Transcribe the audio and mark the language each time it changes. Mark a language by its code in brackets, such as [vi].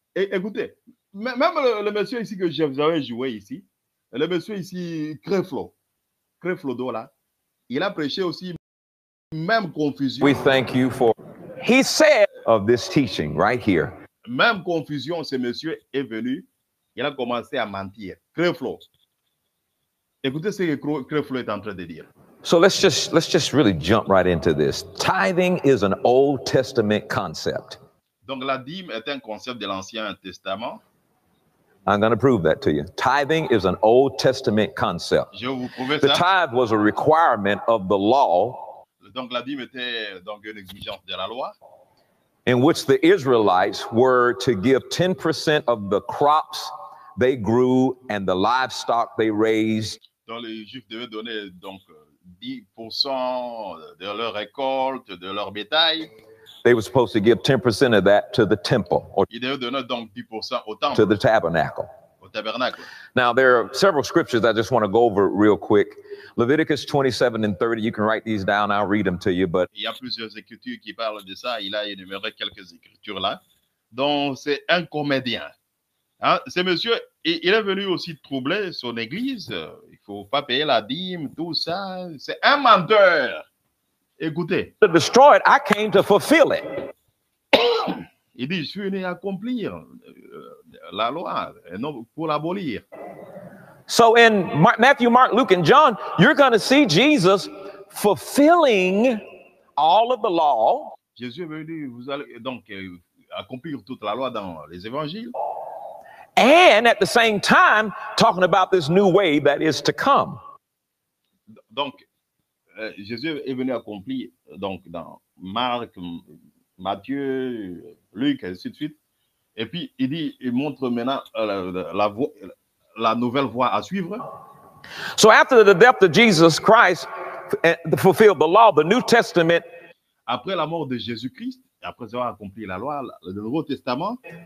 [fr] Et, écoutez, même le monsieur ici que j'avais joué ici, le monsieur ici, Creflo Dola, il a prêché aussi même confusion. [en] We thank you for... He said of this teaching right here. [fr] Même confusion, ce monsieur est venu, il a commencé à mentir. Creflo. Écoutez ce que Creflo est en train de dire. [en] So let's just really jump right into this. Tithing is an Old Testament concept. [fr] Donc la dîme est un concept de l'Ancien Testament. [en] I'm going to prove that to you. Tithing is an Old Testament concept. [fr] Je vous prouve ça. [en] The tithe was a requirement of the law. [fr] Donc la dîme était donc une exigence de la loi. [en] In which the Israelites were to give 10% of the crops they grew and the livestock they raised. [fr] Donc les Juifs devaient donner donc 10% de leur récolte, de leur bétail. [en] They were supposed to give 10% of that to the temple. [fr] Ils devaient donner donc 10% au temple. [en] To the tabernacle. [fr] Au tabernacle. [en] Now there are several scriptures I just want to go over real quick. Leviticus 27 and 30, you can write these down, I'll read them to you, but... [fr] Il y a plusieurs écritures qui parlent de ça, il a énuméré quelques écritures là, dont c'est un comédien. Hein? Ce monsieur, il est venu aussi troubler son église, il ne faut pas payer la dîme, tout ça, c'est un menteur. Écoutez. [en] To destroy it, I came to fulfill it. [fr] Il dit, je suis venu accomplir la loi, et non pour l'abolir. [en] So in Matthew, Mark, Luke, and John, you're going to see Jesus fulfilling all of the law. [fr] Jésus est venu, vous allez donc accomplir toute la loi dans les évangiles. [en] And at the same time, talking about this new way that is to come. [fr] Donc, Jésus est venu accomplir donc dans Marc, Matthieu, Luc, et ainsi de suite. Et puis, il dit, il montre maintenant la voie. La nouvelle voie à suivre. [en] So after the death of Jesus Christ fulfilled the law, the New Testament. Après la mort de Jésus Christ, après avoir accompli la loi, le Nouveau Testament.